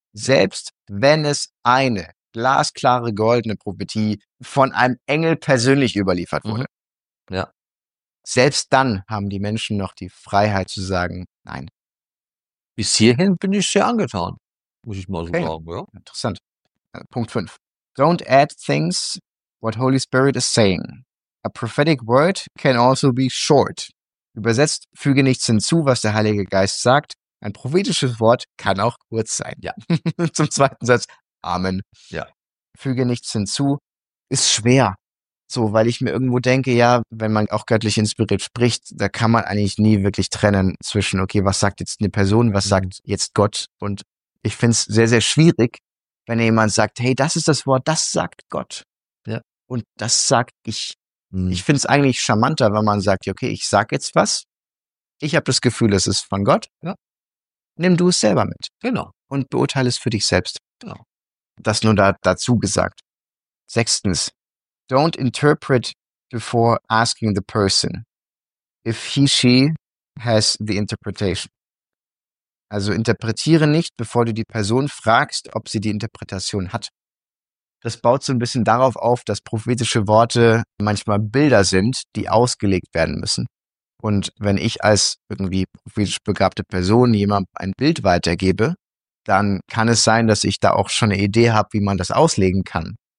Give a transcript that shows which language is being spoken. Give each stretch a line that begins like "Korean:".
German: Selbst wenn es eine glasklare, goldene Prophetie von einem Engel persönlich überliefert wurde. Mhm. Ja. Selbst dann haben die Menschen noch die Freiheit zu sagen, nein. Bis hierhin bin ich sehr angetan, muss ich mal so sagen. Ja. Interessant. Punkt 5.
English: Don't add things what Holy Spirit is saying. A prophetic word can also be short.
German: Übersetzt, füge nichts hinzu, was der Heilige Geist sagt. Ein prophetisches Wort kann auch kurz sein. Ja. Zum zweiten Satz. Amen. Ja. Füge nichts hinzu. Ist schwer. So, weil ich mir irgendwo denke, ja, wenn man auch göttlich inspiriert spricht, da kann man eigentlich nie wirklich trennen zwischen, okay, was sagt jetzt eine Person, was sagt jetzt Gott? Und ich finde es sehr, sehr schwierig, wenn jemand sagt, hey, das ist das Wort, das sagt Gott. Ja. Und das sag ich. Mhm. Ich finde es eigentlich charmanter, wenn man sagt, okay, ich sag jetzt was. Ich habe das Gefühl, es ist von Gott. Ja. Nimm du es selber mit. Genau. Und beurteile es für dich selbst. Genau. Das nur dazu gesagt. Sechstens.
English: Don't interpret before asking the person if he, she has the interpretation.
German: Also interpretiere nicht, bevor du die Person fragst, ob sie die Interpretation hat. Das baut so ein bisschen darauf auf, dass prophetische Worte manchmal Bilder sind, die ausgelegt werden müssen. Und wenn ich als irgendwie prophetisch begabte Person jemandem ein Bild weitergebe, dann kann es sein, dass ich da auch schon eine Idee habe, wie man das auslegen kann.